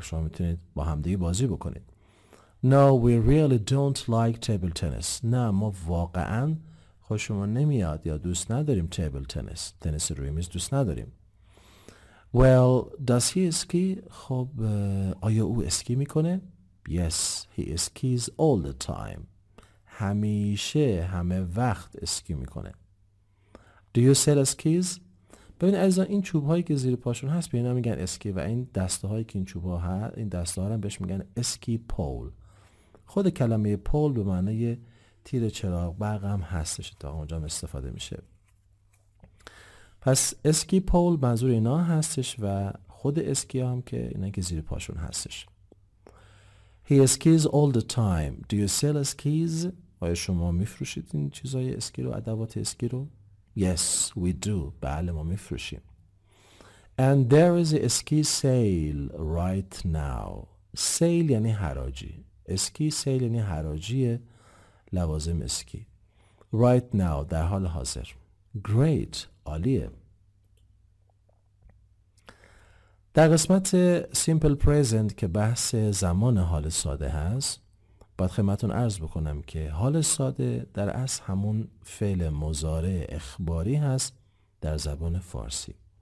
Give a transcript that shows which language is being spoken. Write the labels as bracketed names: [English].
[Persian] شما میتونید با هم دیگه بازی بکنید. [English] No, we really don't like table tennis. [Persian] نه، ما واقعا خوشمون نمیاد یا دوست نداریم تیبل تنس، تنس روی میز دوست نداریم. [English] Well, does he ski? [Persian] خب آیا او اسکی میکنه؟ [English] Yes, he skis all the time. [Persian] همیشه همه وقت اسکی میکنه. [English] Do you sell skis؟ [Persian] ببین از این چوب هایی که زیر پاشون هست به اینا میگن اسکی و این دسته هایی که این چوب ها هست این دسته ها هم بهش میگن اسکی پول. خود کلمه پول به معنی تیر چراغ برق هم هستش تا اونجا هم استفاده میشه. پس اسکی پول منظور اینا هستش و خود اسکی هم که اینا که زیر پاشون هستش. [English] He skis all the time. Do you sell skis؟ [Persian] آیا شما میفروشید این چیزای اسکی رو، ادوات اسکی رو؟ [English] Yes, we do. [Persian] بله ما میفروشیم. [English] And there is a ski sale right now. [Persian] سیل یعنی حراجی. اسکی سیل یعنی حراجی لوازم اسکی. [English] Right now [Persian] در حال حاضر. Great. عالیه. در قسمت simple present که بحث زمان حال ساده هست باید خدمتون عرض بکنم که حال ساده در اصل همون فعل مضارع اخباری هست در زبان فارسی.